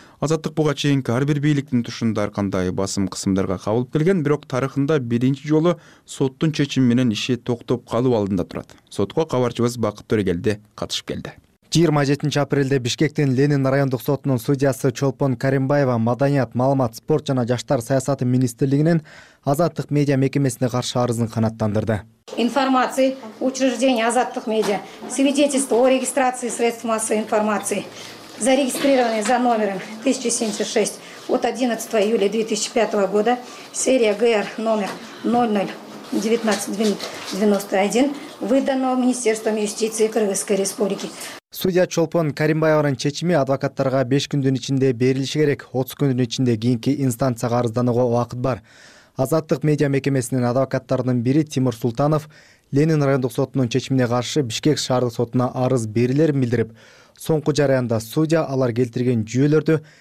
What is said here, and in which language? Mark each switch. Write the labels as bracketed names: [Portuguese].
[Kyrgyz] Азаттык буга чейинки ар бир бийликтин тушунда ар кандай басым кысымдарга кабылып келген, бирок тарыхында биринчи жолу соттун чечими менен иши токтоп калуу алдында турат. Сотко кабарчыбыз Бакыт Төрөгелди катышып келди. 27 апрелде Бишкектин Ленин райондук сотунун судьясы Чолпон Каримбаева маданият, маалымат, спорт жана жаштар саясаты министрлигинин Азаттык медиа мекемесине каршы арызын канааттандырды. [Russian] Информация учреждения Азаттык медиа, свидетельство о регистрации средств массовой информации, зарегистрированные за номером 1076 от 11 июля 2005 года, серия ГР номер 00-19-91, выданного Министерством юстиции Кыргызской Республики. [Kyrgyz] Судья Чолпон Каримбаеванын чечими адвокаттарга 5 күндүн ичинде берилиши керек. 30 күндүн ичинде кийинки инстанцияга арызданууга убакыт бар. Азаттык медиа мекемесинин адвокаттарынын бири Тимур Султанов Ленин райондук сотунун чечимине каршы Бишкек шаардык сотуна арыз берилерин билдирип, соңку жараянда судья алар келтирген жүйөлөрдү